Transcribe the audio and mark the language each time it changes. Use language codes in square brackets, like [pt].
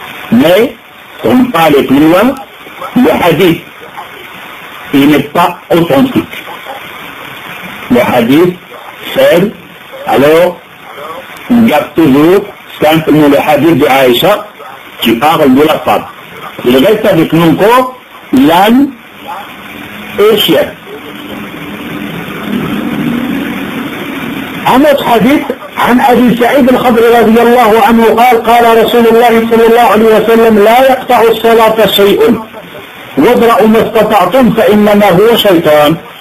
[fr] mais on va aller plus loin, le hadith il n'est pas authentique, le hadith faible, alors on garde toujours simplement le hadith de Aïcha qui parle de la femme. Il reste avec nous encore l'âne et le chien. Un autre hadith [ar] عن أبي سعيد الخضري رضي الله عنه قال قال رسول الله صلى الله عليه وسلم لا يقطع الصلاة شيء وابرأوا ما استطعتم فإنما هو شيطان.